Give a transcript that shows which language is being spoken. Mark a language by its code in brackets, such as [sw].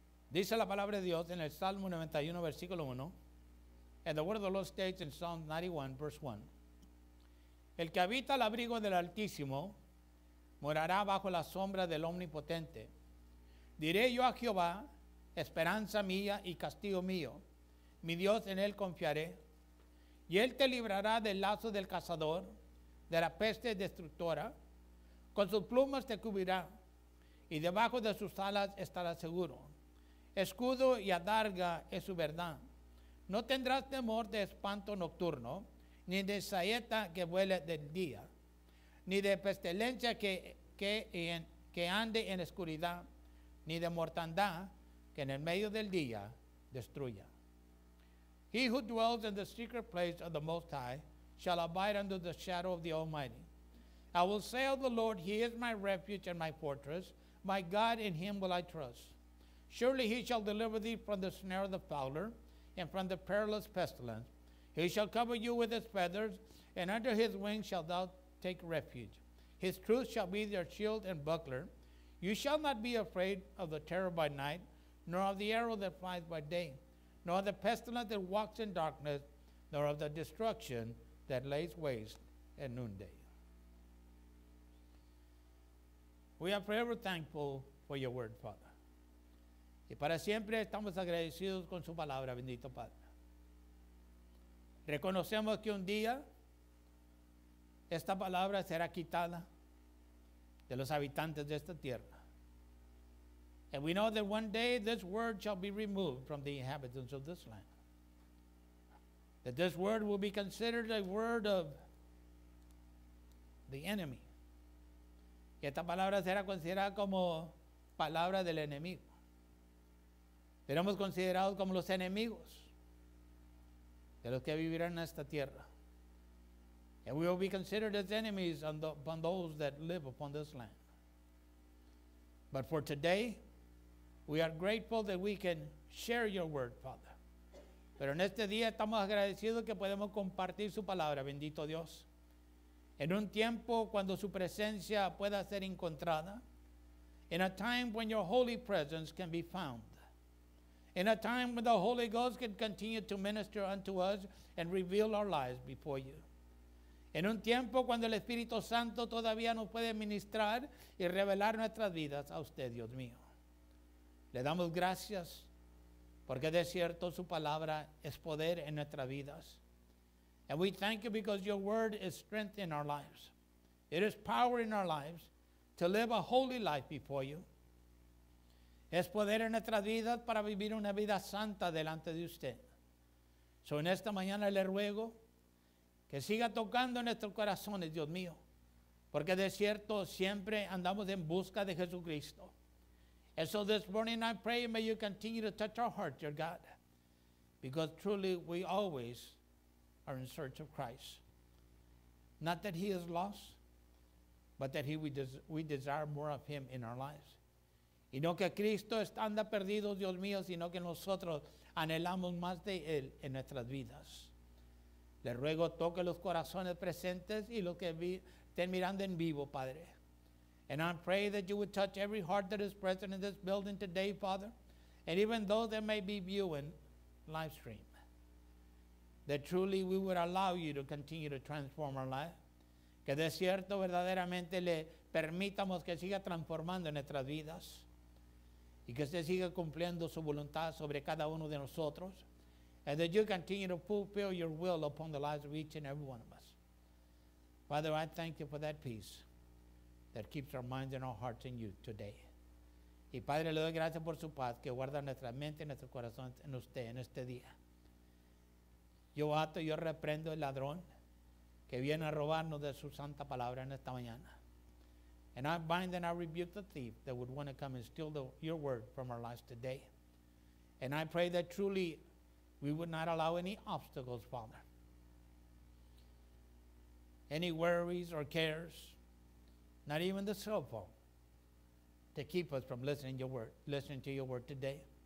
[es] Dice la palabra de Dios en el Salmo 91, versículo 1. [en] And the word of the Lord states in Psalm 91, verse 1. [es] El que habita al abrigo del Altísimo morará bajo la sombra del Omnipotente. Diré yo a Jehová, esperanza mía y castillo mío, mi Dios en él confiaré. Y él te librará del lazo del cazador, de la peste destructora. Con sus plumas te cubrirá, y debajo de sus alas estarás seguro. Escudo y adarga es su verdad. No tendrás temor de espanto nocturno, ni de saeta que vuele del día, ni de pestilencia que ande en oscuridad, ni de mortandad que en el medio del día destruya. [en] He who dwells in the secret place of the Most High shall abide under the shadow of the Almighty. I will say of the Lord, He is my refuge and my fortress. My God, in Him will I trust. Surely He shall deliver thee from the snare of the fowler and from the perilous pestilence. He shall cover you with His feathers, and under His wings shalt thou take refuge. His truth shall be their shield and buckler. You shall not be afraid of the terror by night, nor of the arrow that flies by day, nor of the pestilence that walks in darkness, nor of the destruction that lays waste at noonday. We are forever thankful for your word, Father. [es] Y para siempre estamos agradecidos con su palabra, bendito Padre. Reconocemos que un día esta palabra será quitada de los habitantes de esta tierra. [en] And we know that one day this word shall be removed from the inhabitants of this land. That this word will be considered a word of the enemy. [es] Que esta palabra será considerada como palabra del enemigo. Seremos considerados como los enemigos de los que vivirán en esta tierra. [en] And we will be considered as enemies upon those that live upon this land. But for today, we are grateful that we can share your word, Father. [es] Pero en este día estamos agradecidos que podemos compartir su palabra, bendito Dios. En un tiempo cuando su presencia pueda ser encontrada. [en] In a time when your holy presence can be found. In a time when the Holy Ghost can continue to minister unto us and reveal our lives before you. [es] En un tiempo cuando el Espíritu Santo todavía nos puede ministrar y revelar nuestras vidas a usted, Dios mío. Le damos gracias porque de cierto su palabra es poder en nuestras vidas. [en] And we thank you because your word is strength in our lives. It is power in our lives to live a holy life before you. [es] Es poder en nuestras vidas para vivir una vida santa delante de usted. So en esta mañana le ruego que siga tocando en nuestros corazones, Dios mío. Porque de cierto siempre andamos en busca de Jesucristo. [en] And so this morning I pray may you continue to touch our heart, dear God. Because truly we always are in search of Christ. Not that He is lost, but that we desire more of Him in our lives. [es] Y no que Cristo anda perdido, Dios mío, sino que nosotros anhelamos más de Él en nuestras vidas. Le ruego, toque los corazones presentes y los que estén mirando en vivo, Padre. [en] And I pray that you would touch every heart that is present in this building today, Father, and even those that may be viewing live stream. That truly we would allow you to continue to transform our life. [es] Que de cierto verdaderamente le permitamos que siga transformando en nuestras vidas. Y que usted siga cumpliendo su voluntad sobre cada uno de nosotros. [en] And that you continue to fulfill your will upon the lives of each and every one of us. Father, I thank you for that peace that keeps our minds and our hearts in you today. [es] Y Padre, le doy gracias por su paz que guarda nuestra mente y nuestro corazón en usted en este día. Yo ato, yo reprendo el ladrón que viene a robarnos de su santa palabra en esta mañana. [en] And I bind and I rebuke the thief that would want to come and steal your word from our lives today. And I pray that truly we would not allow any obstacles, Father. Any worries or cares, not even the cell phone, to keep us from listening to your word today.